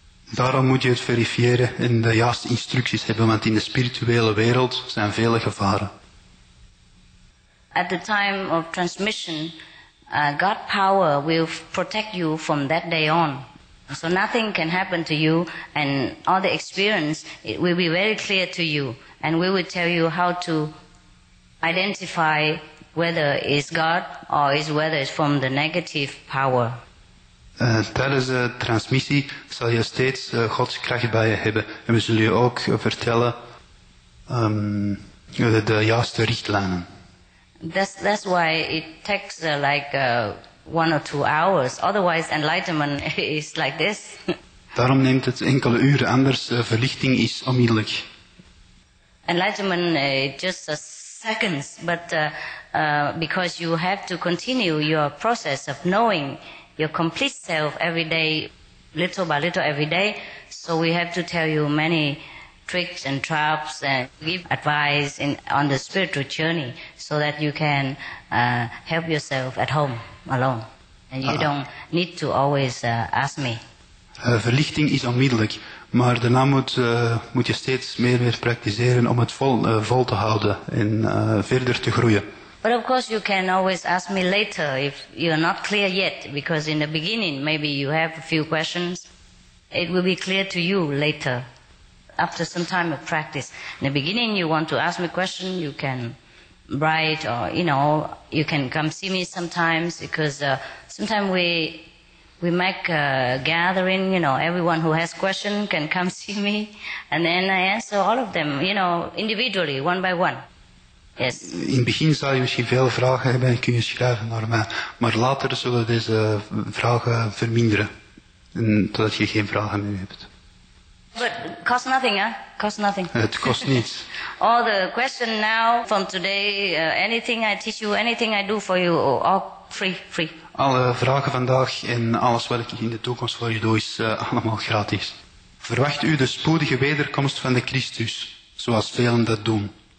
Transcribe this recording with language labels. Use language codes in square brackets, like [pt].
[nl] Daarom moet je het verifiëren en de juiste instructies hebben, want in de spirituele wereld zijn vele gevaren. [en] At the time of transmission, God power will protect you from that day on. So nothing can happen to you, and all the experience it will be very clear to you, and we will tell you how to identify whether it's God or whether it's from the negative power. [nl] Tijdens de transmissie zal je steeds Gods kracht bij je hebben, en we zullen je ook vertellen de juiste richtlijnen. [en] That's why it takes one or two hours. Otherwise, enlightenment is like this. [nl] Daarom neemt het enkele uren, anders verlichting is onmiddellijk. [en] Enlightenment just a seconds, but because you have to continue your process of knowing your complete self every day, little by little every day, so we have to tell you many tricks and traps and give advice on the spiritual journey so that you can help yourself at home alone. And you don't need to always ask me. [nl] Verlichting is onmiddellijk, maar daarna moet je steeds meer praktiseren om het vol te houden en verder te groeien. [en] But of course you can always ask me later if you're not clear yet, because in the beginning maybe you have a few questions. It will be clear to you later, after some time of practice. In the beginning you want to ask me a question, you can write or, you can come see me sometimes, because sometimes we make a gathering, everyone who has questions can come see me, and then I answer all of them, individually, one by one. Yes. [nl] In het begin zal je misschien veel vragen hebben en kun je schrijven naar mij, maar later zullen deze vragen verminderen, totdat je geen vragen meer hebt. [en] But cost nothing, huh? Cost nothing. [nl] Het kost niets. [en] All the question now from today, anything I teach you, anything I do for you, all free. [nl] Alle vragen vandaag en alles wat ik in de toekomst voor je doe is allemaal gratis. Verwacht u de spoedige wederkomst van de Christus, zoals velen dat doen?